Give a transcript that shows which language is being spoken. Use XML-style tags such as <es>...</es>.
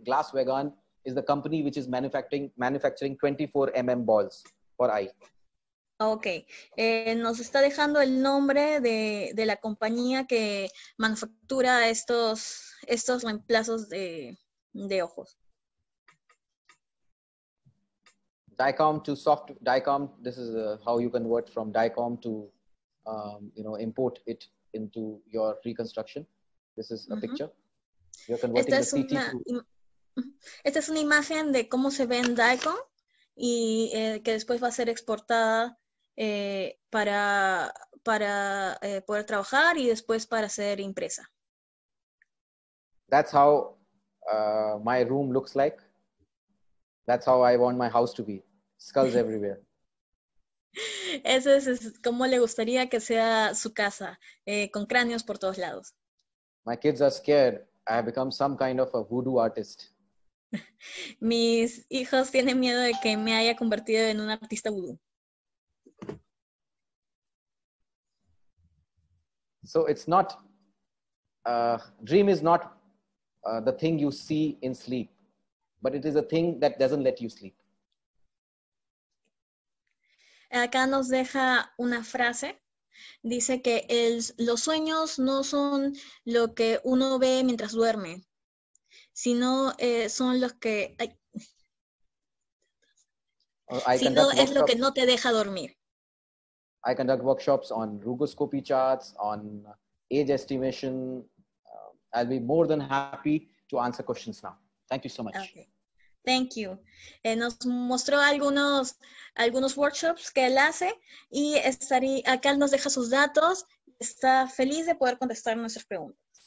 <en>Glasswagon is the company which is manufacturing 24mm balls for eye.</en> <es>Ok, nos está dejando el nombre de la compañía que manufactura estos reemplazos de ojos.</es> <en>DICOM to soft, DICOM, this is how you convert from DICOM to, import it into your reconstruction. This is a picture. You're converting the CT to...</en> <es>Esta es una imagen de cómo se ve en DICOM y que después va a ser exportada para poder trabajar y después para ser impresa.</es> <en>That's how my room looks like. That's how I want my house to be. Skulls everywhere.</en> <es>Eso es como le gustaría que sea su casa, con cráneos por todos lados.</es> <en>My kids are scared. I have become some kind of a voodoo artist.</en> <es>Mis hijos tienen miedo de que me haya convertido en un artista voodoo.</es> <en>So it's not, dream is not the thing you see in sleep, but it is a thing that doesn't let you sleep.</en> <es>Acá nos deja una frase. Dice que los sueños no son lo que uno ve mientras duerme, sino son los que... sino es lo que no te deja dormir.</es> <en>I conduct workshops on rugoscopy charts, on age estimation. I'll be more than happy to answer questions now. Thank you so much. Okay. Thank you.</en> <es>Nos mostró algunos workshops que él hace y acá nos deja sus datos. Está feliz de poder contestar nuestras preguntas.</es>